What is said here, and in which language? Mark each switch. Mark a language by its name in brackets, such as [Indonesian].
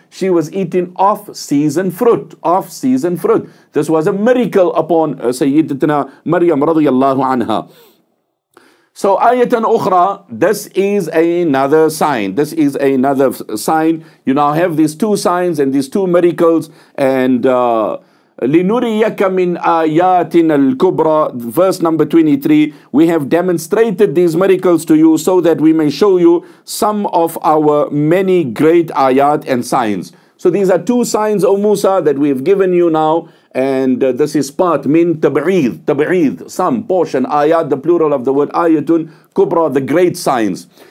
[English] She was eating off-season fruit. Off-season fruit. This was a miracle upon Sayyidatina Maryam radiyallahu anha. So [Arabic] ayatan ukhra, [English] this is another sign. This is another sign. You now have these two signs and these two miracles. [Arabic] And لِنُرِيَكَ مِنْ آيَاتِنَا الْكُبْرَى. [English] Verse number 23, we have demonstrated these miracles to you so that we may show you some of our many great ayat and signs. So these are two signs, O Musa, that we have given you now. And this is part, min tab'eeth, tab'eeth, some portion, ayat, the plural of the word ayatun, kubra, the great signs.